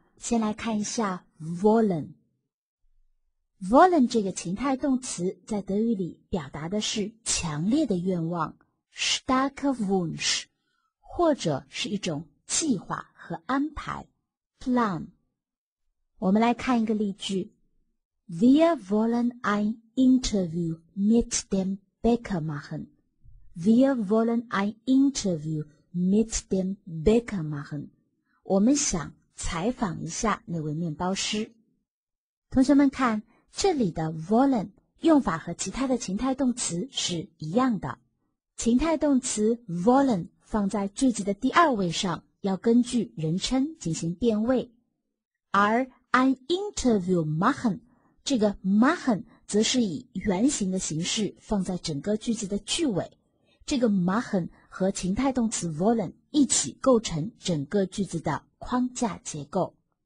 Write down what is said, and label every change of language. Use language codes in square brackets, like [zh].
[zh] 先来看一下 wollen。wollen 这个情态动词在德语里表达的是强烈的愿望 [de] starker Wunsch， [zh] 或者是一种计划和安排 plan。我们来看一个例句 ， [de] Wir wollen ein Interview mit dem Bäcker machen. Wir wollen ein Interview mit dem Bäcker machen. [zh] 我们想采访一下那位面包师。同学们看，这里的 wollen 用法和其他的情态动词是一样的。情态动词 wollen 放在句子的第二位上，要根据人称进行变位，而 [de] An interview machen， [zh] 这个 machen 则是以原形的形式放在整个句子的句尾，这个 machen 和情态动词 wollen 一起构成整个句子的框架结构。